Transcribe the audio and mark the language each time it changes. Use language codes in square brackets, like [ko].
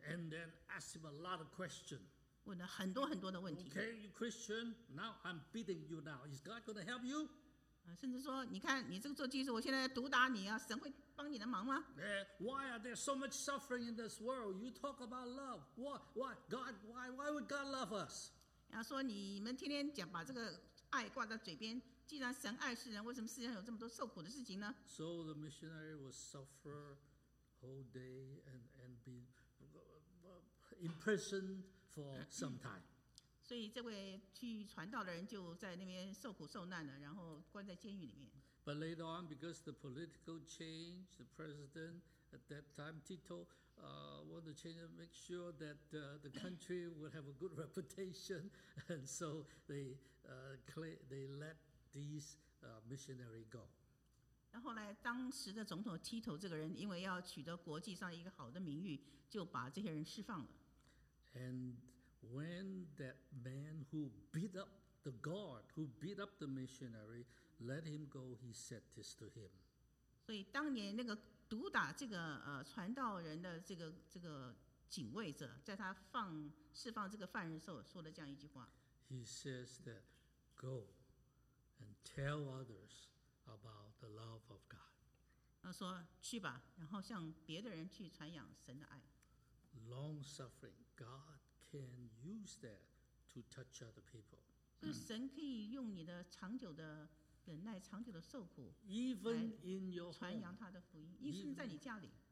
[en] And then ask him a lot of questions. [zh] 问了很多很多的问题。 [en] Okay, you Christian, now I'm beating you now. Is God going to help you? [zh] 甚至说，你看你这个做基督徒，我现在毒打你啊，神会帮你的忙吗？ [en] Why are there so much suffering in this world? You talk about love. Why would God love us? [zh] 要说你们天天讲把这个爱挂在嘴边，既然神爱世人，为什么世上有这么多受苦的事情呢？ [en] So the missionary will suffer whole day and be. Imprisoned for some time. [zh] 所以这位去传道的人就在那边受苦受难了，然后关在监狱里面。 [en] But later on, because the political change, the president at that time, Tito, wanted to change and make sure that the country would have a good reputation, and so they let these missionary go. [zh] 然后来，当时的总统 Tito 这个人，因为要取得国际上一个好的名誉，就把这些人释放了。 [en] And when that man who beat up the guard, who beat up the missionary, let him go, he said this to him. [zh] 所以当年那个毒打这个传道人的这个警卫者，在他释放这个犯人的时候，说了这样一句话。 [en] He says that, go and tell others. About the love of God. [zh] 他说去吧，然后向别的人去传扬神的爱。 [en] Long suffering, God can use that to touch other people. [zh] 所以神可以用你的长久的忍耐、长久的受苦 [en] ，even in your home, [zh] 传扬他的福音，即使在你家里。